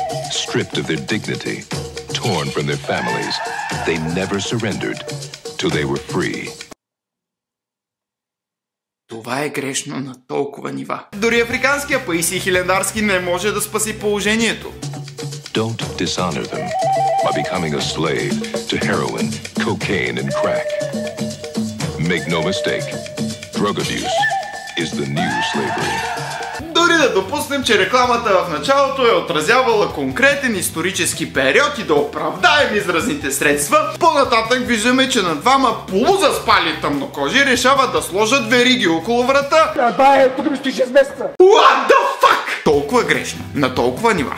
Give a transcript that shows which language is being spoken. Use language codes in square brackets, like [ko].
[en] Stripped of their dignity, torn from their families, they never surrendered till they were free. [bg] Това е грешно на толкова нива. Дори африканския Паисий Хилендарски не може да спаси положението. [en] Don't dishonor them by becoming a slave to heroin, cocaine and crack. Make no mistake, drug abuse is the new slavery. [bg] Дори да допуснем, че рекламата в началото е отразявала конкретен исторически период и да оправдаем изразните средства, по-нататък виждаме, че на двама полузаспали тъмнокожи решават да сложат вериги около врата. Да, е, тук ми стои 6 месеца. [en] What the fuck? [bg] Толкова грешно, на толкова нива.